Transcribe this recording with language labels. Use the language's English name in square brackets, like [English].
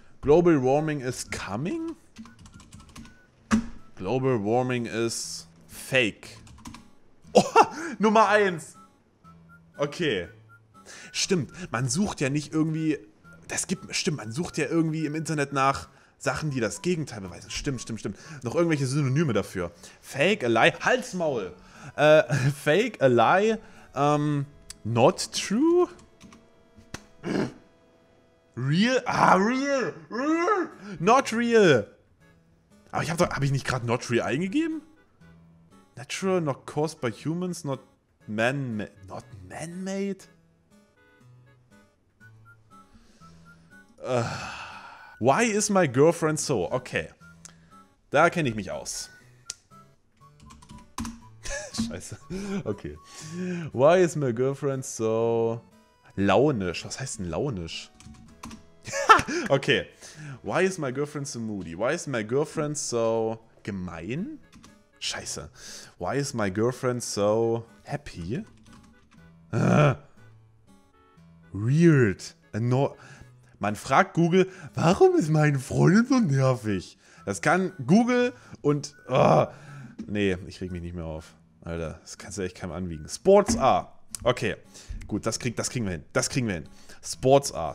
[English] Global Warming is coming? [German] Global Warming ist fake. Oh, Nummer 1. Okay. Stimmt, man sucht ja nicht irgendwie... man sucht ja irgendwie im Internet nach Sachen, die das Gegenteil beweisen. Stimmt. Noch irgendwelche Synonyme dafür. [English] Fake, a lie... Halsmaul! Fake, a lie, not true? Real? Ah, real! Not real! [German] Aber hab ich nicht gerade [English] not real [German] eingegeben? [English] Natural, not caused by humans, not man-made. Not man-made? Why is my girlfriend so? [German] Okay. Da kenne ich mich aus. [English] Scheiße. Okay. Why is my girlfriend so... Launisch. [German] Was heißt denn launisch? Okay. [English] Why is my girlfriend so moody? Why is my girlfriend so [German] gemein? Scheiße. [English] Why is my girlfriend so happy? Weird. [German] Man fragt Google, warum ist meine Freundin so nervig? Das kann Google und... Nee, ich reg mich nicht mehr auf. Alter, das kannst du echt keinem anwiegen. Sports A. Okay. Gut, das kriegen wir hin. Sports A.